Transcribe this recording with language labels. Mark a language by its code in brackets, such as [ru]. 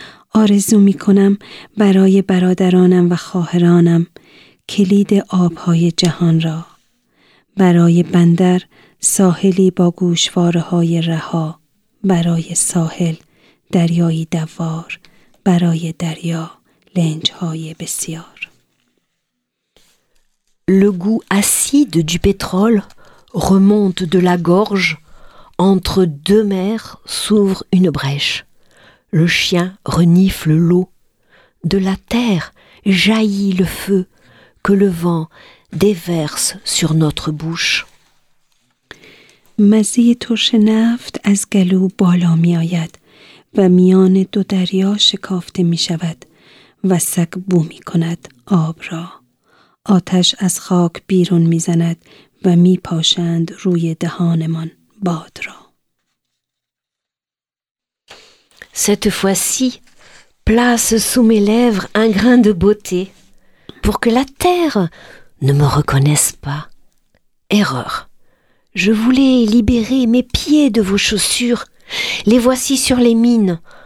[fa] آرزو می کنم برای برادرانم و خواهرانم کلید آبهای جهان را، برای بندر ساحلی با گوشواره‌های رها، برای ساحل دریایی دوار، برای دریا لنج‌های بسیار. [fr] Le goût acide du pétrole remonte de la gorge. Entre deux mers s'ouvre une brèche. Le chien renifle l'eau. De la terre jaillit le feu que le vent déverse sur notre bouche. [fa] مزه ترش نفت از گلو بالا می آید و میان دو دریا شکافته می شود و سگ بو می کند آب را. آتش از خاک بیرون می زند و می پاشند روی دهانمان باد را. [fr] Cette fois-ci, place sous mes lèvres un grain de beauté pour que la terre ne me reconnaisse pas. Erreur. Je voulais libérer mes pieds de vos chaussures. Les voici sur les mines.